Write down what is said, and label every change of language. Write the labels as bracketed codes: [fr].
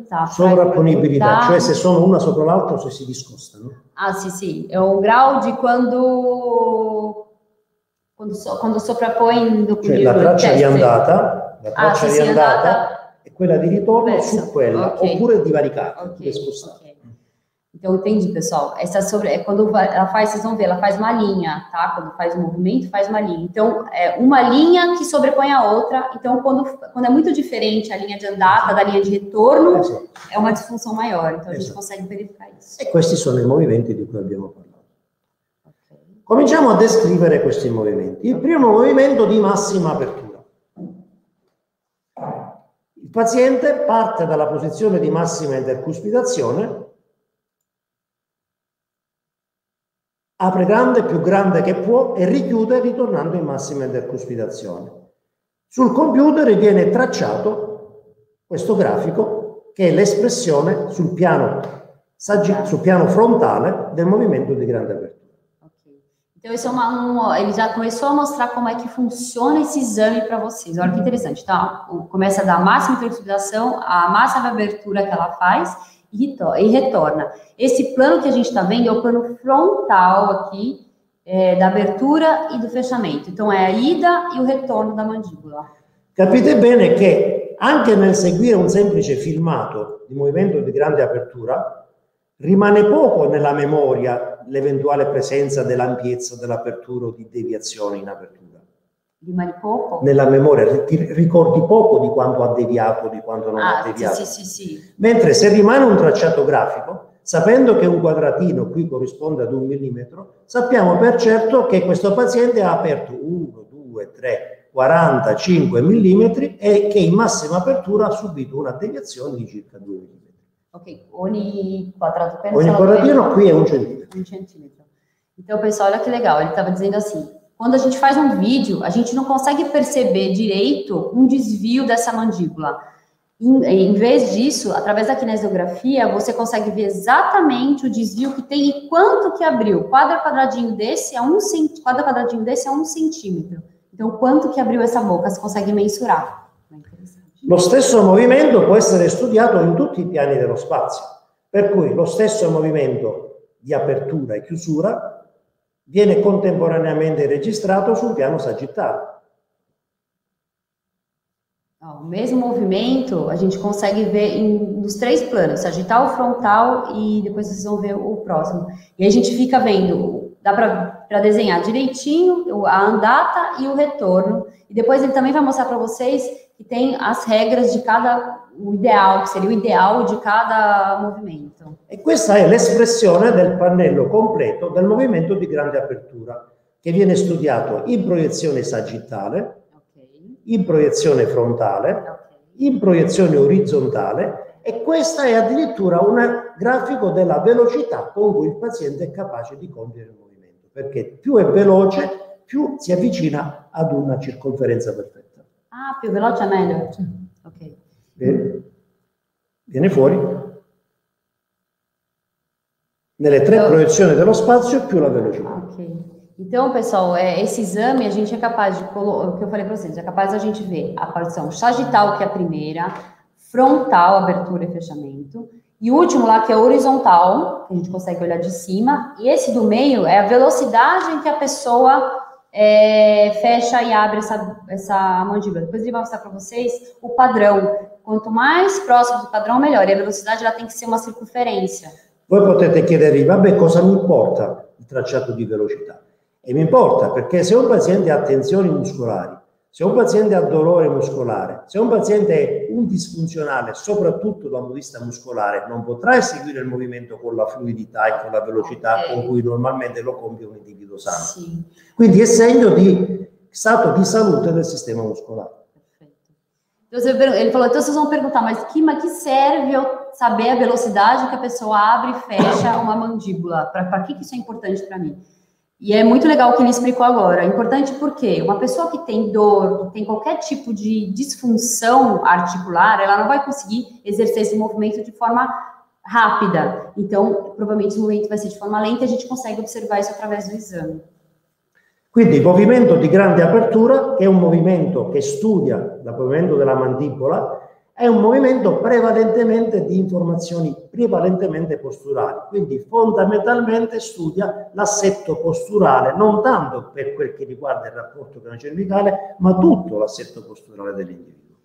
[pt] sovrapponibilidade, [it] cioè se sono [pt] uma sobre a outra ou se discosta, né? Ah, sim, sim. É o grau de quando sovrappõe [it] do cioè, la traccia di andata, la traccia di andata e quella di ritorno Pensa. Su quella, okay. Oppure divaricata, okay. Discostata. Okay. [pt] Então, entendi, pessoal. Essa sobre, é quando ela faz, vocês vão ver, ela faz uma linha, tá? Quando faz o movimento, faz uma linha. Então, é uma linha que sobrepõe a outra. Então, quando é muito diferente a linha de andata da linha de retorno, é uma disfunção maior. Então, a gente consegue verificar isso. [it] E questi sono i movimenti di cui abbiamo parlato. Cominciamo a descrivere questi movimenti. Il primo movimento di massima apertura. Il paziente parte dalla posizione di massima intercuspidazione. Apre grande, più grande che può, e richiude ritornando in massima intercuspidazione. Sul computer viene tracciato questo grafico, che è l'espressione sul piano frontale del movimento di grande apertura. Ok. [pt] Então, esse ele já começou a mostrar como é que funciona esse exame para vocês. Olha que interessante. Então, começa da máxima intercuspidação, a máxima abertura que ela faz. E retorna. Esse plano que a gente está vendo é o plano frontal aqui, da abertura e do fechamento. Então é a ida e o retorno da mandíbula. [it] Capite bene che anche nel seguire un semplice filmato di movimento di grande apertura, rimane poco nella memoria l'eventuale presenza dell'ampiezza dell'apertura o di deviazione in apertura. Rimane poco? Nella memoria, ti ricordi poco di quanto ha deviato, di quanto non ha deviato. Sì. Mentre se rimane un tracciato grafico, sapendo che un quadratino qui corrisponde ad un millimetro, sappiamo per certo che questo paziente ha aperto 1, 2, 3, 45 millimetri e che in massima apertura ha subito una deviazione di circa 2 millimetri. Ok, ogni quadrato pensa. Ogni quadratino qui è un centimetro. Un centimetro. [pt] Então, pessoal, olha que legal, ele estava dizendo assim. Quando a gente faz um vídeo, a gente não consegue perceber direito um desvio dessa mandíbula. Em vez disso, através da kinesiografia, você consegue ver exatamente o desvio que tem e quanto que abriu. Quadradinho desse é um centímetro. Então, quanto que abriu essa boca? Você consegue mensurar. [it] Lo stesso movimento può essere studiato in tutti i piani dello spazio. Per cui lo stesso movimento di apertura e chiusura viene contemporaneamente registrato sul piano sagittale. [pt] O mesmo movimento a gente consegue ver nos três planos, sagital, frontal e depois vocês vão ver o próximo. E a gente fica vendo, dá para desenhar direitinho a andata e o retorno. E depois ele também vai mostrar para vocês que tem as regras de cada, o ideal, que seria o ideal de cada movimento. [it] E questa è l'espressione del pannello completo del movimento di grande apertura, che viene studiato in proiezione sagittale, in proiezione frontale, in proiezione orizzontale, e questa è addirittura un grafico della velocità con cui il paziente è capace di compiere il movimento, perché più è veloce, più si avvicina ad una circonferenza perfetta. Ah, più veloce è meglio. Ok. Bene. Viene fuori. Nelle tre proiezioni dello spazio, più la velocità. Ok. [pt] Então, pessoal, esse exame a gente é capaz de, o que eu falei para vocês, é capaz da gente ver a porção sagital, que é a primeira, frontal, abertura e fechamento, e o último lá, que é horizontal, que a gente consegue olhar de cima, e esse do meio é a velocidade em que a pessoa fecha e abre essa mandíbula. Depois ele vai mostrar para vocês o padrão. Quanto mais próximo do padrão, melhor. E a velocidade ela tem que ser uma circunferência. [it] Voi potete chiedervi, vabbè, cosa mi importa il tracciato di velocità? E mi importa, perché se un paziente ha tensioni muscolari, se un paziente ha dolore muscolare, se un paziente è un disfunzionale, soprattutto dal punto di vista muscolare, non potrà eseguire il movimento con la fluidità e con la velocità con cui normalmente lo compie un individuo sano. Sì. Quindi è segno di stato di salute del sistema muscolare. [pt] Ele falou, então vocês vão perguntar, mas que serve eu saber a velocidade que a pessoa abre e fecha uma mandíbula? Para que isso é importante para mim? E é muito legal o que ele explicou agora. Importante porque uma pessoa que tem dor, que tem qualquer tipo de disfunção articular, ela não vai conseguir exercer esse movimento de forma rápida. Então, provavelmente, o movimento vai ser de forma lenta e a gente consegue observar isso através do exame. [it] Quindi, movimento di grande apertura, [pt] que é um movimento que estudia [it] o movimento della mandibola, [pt] é um movimento [it] prevalentemente di informazioni prevalentemente posturali, quindi fondamentalmente studia l'assetto posturale, non tanto per quel che riguarda il rapporto con la cervicale, ma tutto l'assetto posturale dell'individuo.